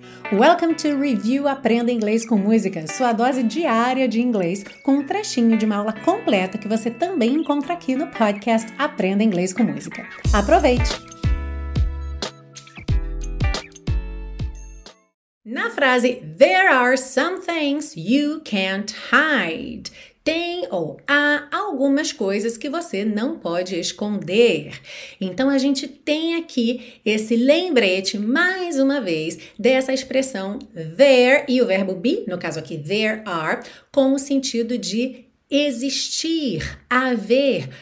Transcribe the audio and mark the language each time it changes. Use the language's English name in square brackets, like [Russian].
[English] Welcome to [Portuguese] Review Aprenda Inglês com Música, sua dose diária de inglês, com um trechinho de uma aula completa que você também encontra aqui no podcast Aprenda Inglês com Música. Aproveite! Na frase, [English] there are some things you can't hide. [Portuguese] Tem ou há algumas coisas que você não pode esconder. Então, a gente tem aqui esse lembrete, mais uma vez, dessa expressão there e o verbo be, no caso aqui, there are, com o sentido de existir, haver.